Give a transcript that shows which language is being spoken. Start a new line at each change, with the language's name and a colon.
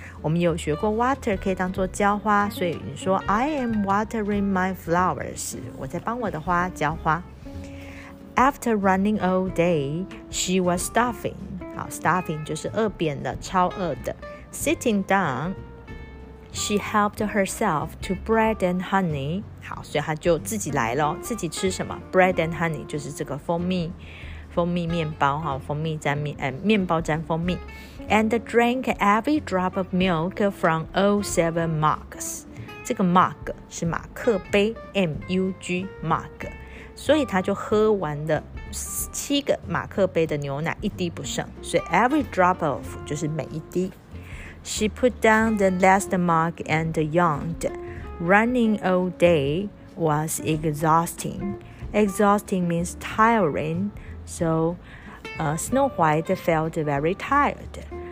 Chinese: 我们有学过 water 可以当做浇花，所以你说
English: I am watering my flowers,
Chinese: 我在帮我的花浇花。
English: After running all day, she was starving.
Chinese: 好， starving 就是饿扁的，超饿的。
English: Sitting down, she helped herself to bread and honey.
Chinese: 好，所以她就自己来了，自己吃什么？
English: Bread and honey
Chinese: 就是这个蜂蜜，蜂蜜面包，蜂蜜沾面，面包沾蜂蜜。
English: And drank every drop of milk from all seven mugs.
Chinese: 这个 mug 是马克杯， M-U-G, mug. 所以他就喝完了七个马克杯的牛奶，一滴不剩。所以 every drop of 就是每一滴。
English: She put down the last mug and yawned. Running all day was exhausting. Exhausting means tiring. So, Snow White felt very tired.